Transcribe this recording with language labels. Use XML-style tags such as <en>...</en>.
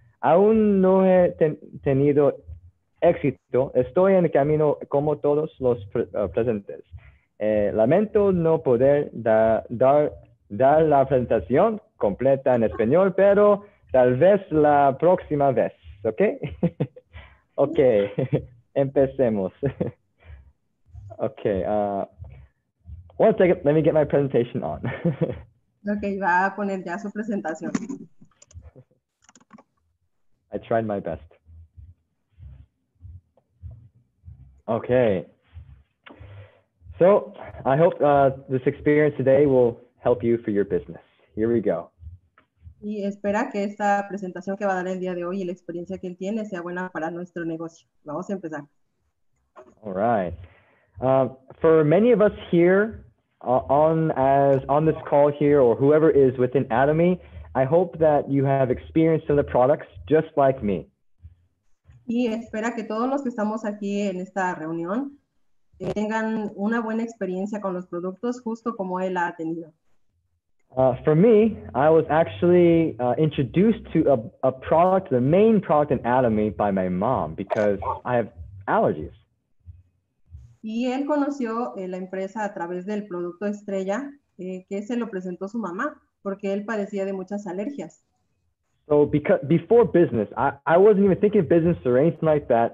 <es>Aún no he tenido éxito. Estoy en camino como todos los presentes. Lamento no poder dar la presentación completa en español, pero tal vez la próxima vez, ¿ok? Ok, empecemos.</es> <en>Ok, one second, let me get my presentation on.</en> <es>Ok, va a poner ya su presentación.</es> <en>I tried my best. Okay. So, I hope this experience today will help you for your business. Here we go.</en> <es>Y espera que esta presentación que va a dar el día de hoy y la experiencia que él tiene sea buena para nuestro negocio. Vamos a empezar.</es> <en>All right. For many of us here on this call here or whoever is within Atomy, I hope that you have experienced some of the products just like me.</en> <es>Y espera que todos los que estamos aquí en esta reunión tengan una buena experiencia con los productos justo como él ha tenido.</es> <en>For me, I was actually introduced to a product, the main product in Atomy, by my mom because I have allergies.</en> <es>Y él conoció la empresa a través del producto estrella que se lo presentó su mamá porque él padecía de muchas alergias.</es> <en>So because before business, I wasn't even thinking business or anything like that.</en>